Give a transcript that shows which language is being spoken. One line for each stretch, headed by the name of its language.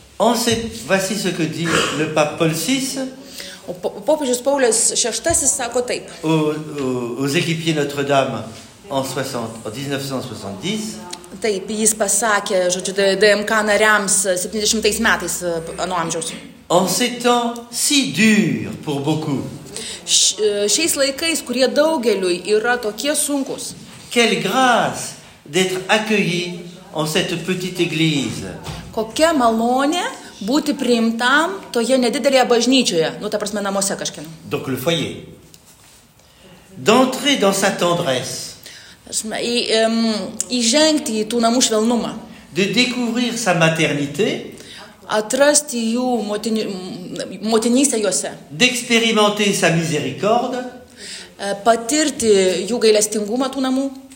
French: Voici ce que dit le pape Paul VI.
Lithuanian: Popiežius Paulius VI sako taip.
French: Aux équipiers Notre-Dame en 1970.
Lithuanian: Taip, jis pasakė, žodžiu, DMK nariams 70 metais anuo amžiaus.
French: En ces temps si durs pour beaucoup.
Lithuanian: šiais laikais, kurie daugeliui yra tokie sunkus.
French: Quelle grâce d'être accueilli en cette petite église.
Lithuanian: Kokia malonė būti priimtam toje nedidelėje bažnyčioje, nu ta prasme namuose kažkieno.
French: Donc le foyer. D'entrer dans sa tendresse.
Lithuanian: Įžengti į tų namų švelnumą.
French: De découvrir sa maternité.
Lithuanian: Atrasti jų motinystę juose.
French: D'expérimenter sa miséricorde.
Lithuanian: Patirti jų gailestingumą tų namų.